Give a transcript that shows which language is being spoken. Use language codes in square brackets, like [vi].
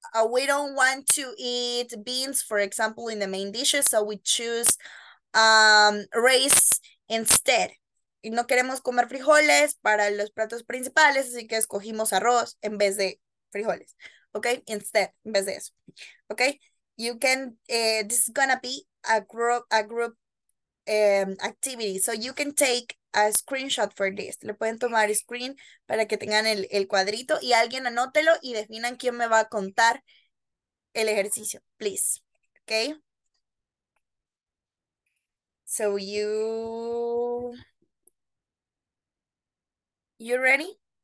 [en] we don't want to eat beans, for example, in the main dishes, so we choose rice instead. [es] Y no queremos comer frijoles para los platos principales, así que escogimos arroz en vez de frijoles. [en] Okay, instead, [es] en vez de eso. [en] Okay, you can, this is gonna be a group activity. So you can take a screenshot for this. [es] Le pueden tomar screen para que tengan el cuadrito y alguien anótelo y definan quién me va a contar el ejercicio, please. [en] Okay. So you ready?